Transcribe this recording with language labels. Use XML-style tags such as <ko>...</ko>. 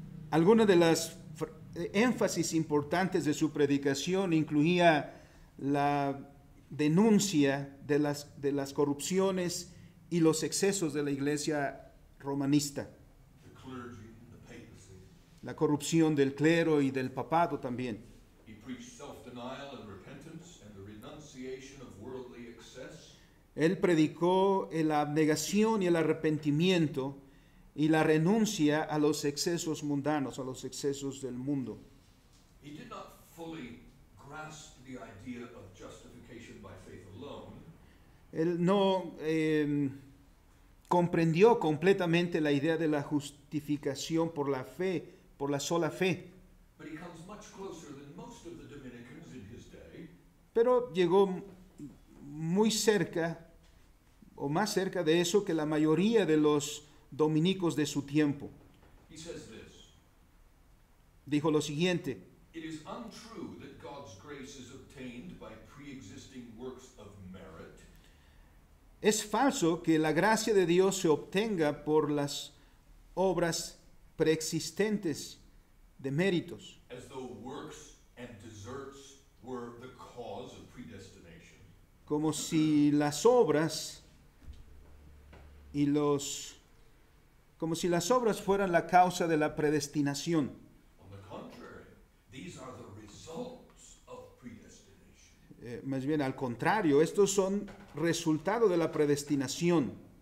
<es>Algunas de las énfasis importantes de su predicación incluía la denuncia de las corrupciones y los excesos de la iglesia romanista.</es> <en>The clergy, the papacy.</en> <es>La corrupción del clero y del papado también.</es> <en>He preached self-denial and repentance and the renunciation of worldly excess.</en> <es>Él predicó la abnegación y el arrepentimiento y la renuncia a los excesos mundanos, a los excesos del mundo.</es> <en>He did not fully grasp the idea of justification by faith alone.</en> <es>Él no comprendió completamente la idea de la justificación por la fe, por la sola fe.</es> <en>But he comes much closer than most of the Dominicans in his day.</en> <es>Pero llegó muy cerca, o más cerca de eso que la mayoría de los dominicos de su tiempo.</es> <en>He says this.</en> <es>Dijo lo siguiente:</es> <en>It is untrue that God's grace is obtained by pre-existing works of merit.</en> <es>Es falso que la gracia de Dios se obtenga por las obras preexistentes de méritos.</es> <en>As though works and deserts were the cause of predestination.</en> <es>Como si las obras y los como si las obras fueran la causa de la predestinación.</es> <en>On the contrary, these are the results of predestination.</en> <es>Más bien, al contrario, estos son resultado de la predestinación.</es>